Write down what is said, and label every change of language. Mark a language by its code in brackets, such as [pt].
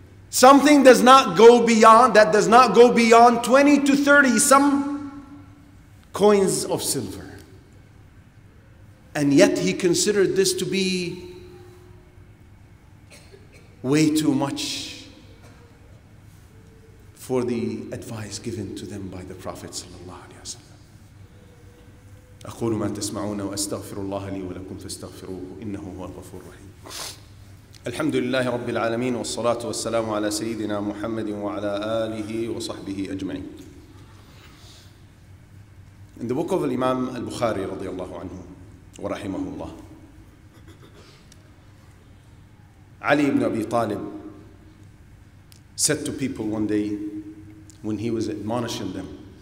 [en] Something does not go beyond, that does not go beyond 20 to 30 some coins of silver. And yet he considered this to be way too much for the advice given to them by the Prophet sallallahu alaihi wasallam. [ar] أقول ما تسمعون وأستغفر الله لي ولكم فاستغفروه إنه هو الغفور الرحيم. الحمد لله رب العالمين والصلاة والسلام على سيدنا محمد وعلى آله وصحبه أجمعين. [en] In the book of Imam al-Bukhari [ar] رضي الله عنه ورحمه الله. [en] علي بن أبي طالب said to people one day when he was admonishing them.